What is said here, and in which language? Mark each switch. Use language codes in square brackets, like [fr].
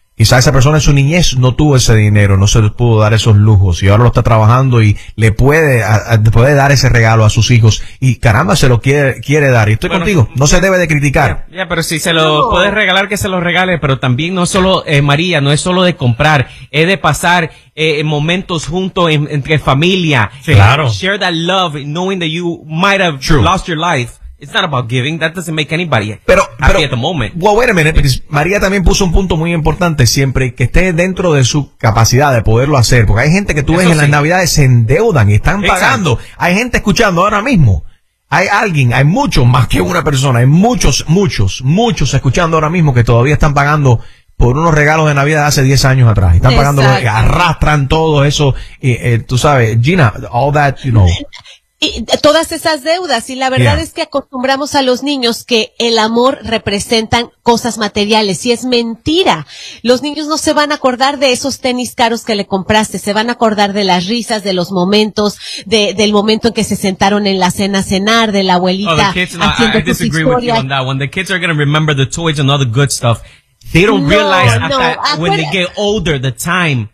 [es] Quizá esa persona en su niñez no tuvo ese dinero, no se le pudo dar esos lujos, y ahora lo está trabajando y le puede dar ese regalo a sus hijos, y caramba, se lo quiere dar, y estoy contigo, no se debe de criticar. Ya, pero si se lo puede regalar, que se lo regale, pero también no solo, María, no es solo de comprar, es de pasar momentos juntos entre familia. Sí. Claro. [en] Share that love, knowing that you might have lost your life. It's not about giving, that doesn't make anybody happy at the moment. Well, wait a minute, because [es] María también puso un punto muy importante, siempre que esté dentro de su capacidad de poderlo hacer, porque hay gente que tú ves en las Navidades se endeudan y están pagando. Hay gente escuchando ahora mismo. Hay muchos, más que una persona, hay muchos escuchando ahora mismo que todavía están pagando por unos regalos de Navidad de hace 10 años atrás. Están pagando, arrastran todo eso, tú sabes, Gina, [en] all that, you know. [es] Y todas esas deudas, y la verdad es que acostumbramos a los niños que el amor representan cosas materiales, y es mentira. Los niños no se van a acordar de esos tenis caros que le compraste, se van a acordar de las risas, de los momentos, del momento en que se sentaron en la cena a cenar, de la abuelita haciendo sus historias. [en] With you on that one. The kids are going to remember the toys and all the good stuff. They don't realize when they get older, the time.